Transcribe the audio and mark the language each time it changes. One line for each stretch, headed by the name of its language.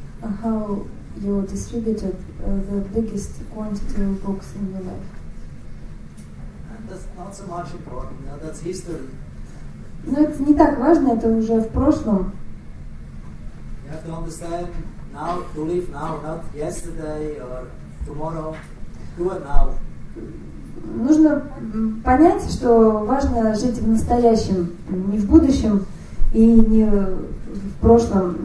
English: how you distributed the biggest quantity of books in your life. That's not so much important. No, that's history.
Russian: Но это не так важно, это уже в прошлом.
English: You have to understand now, to live now, not yesterday or tomorrow. Do it now.
Russian: Нужно понять, что важно жить в настоящем, не в будущем и не в прошлом.